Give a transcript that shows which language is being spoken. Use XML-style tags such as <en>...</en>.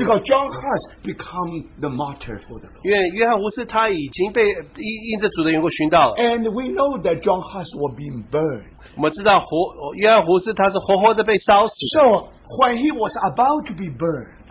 <en>because John Huss become the martyr for the Lord.</en> <zh>因为约翰胡斯他已经被因着主的缘故殉道了,</zh> <en>and we know that John Huss was being burned.</en> <zh>我们知道约翰胡斯他是活活的被烧死,</zh> <en>so when he was about to be burned,</en>